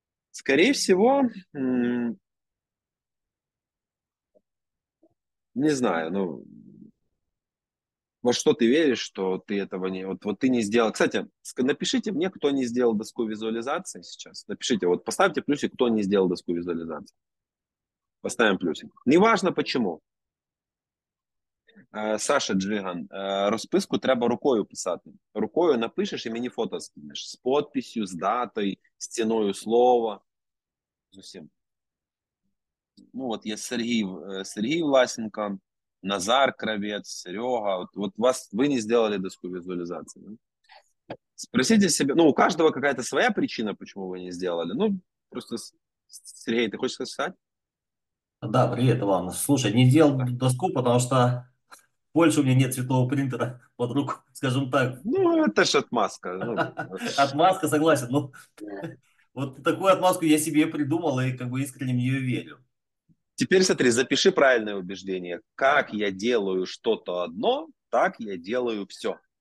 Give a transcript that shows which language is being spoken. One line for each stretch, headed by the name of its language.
Russian: Скорее всего, не знаю, ну, во что ты веришь, что ты этого не... Вот ты не сделал. Кстати, напишите мне, кто не сделал доску визуализации сейчас. Напишите, вот поставьте плюсик, кто не сделал доску визуализации. Поставим плюсик. Неважно, почему.
Ukrainian: Саша Джиган, розписку треба рукою писати. Рукою напишеш і мені фото скинеш. З подписью, з датою, з ціною слова. Зусім. Ну, от є Сергій Власенко, Назар Кравець, Серега. От вас, ви не зробили доску візуалізації. Да? Спросіть себе, ну, у кожного якась своя причина, чому ви не зробили. Ну, просто, Сергій, ти хочеш сказати?
Russian: Да, привет, Иван. Слушай, не сделал доску, потому что больше у меня нет цветного принтера под руку, скажем так. Ну, это ж отмазка. Отмазка, согласен. Ну, вот такую отмазку я себе придумал и как бы искренне в нее верю. Теперь смотри, запиши правильное убеждение. Как я делаю что-то одно, так я делаю все.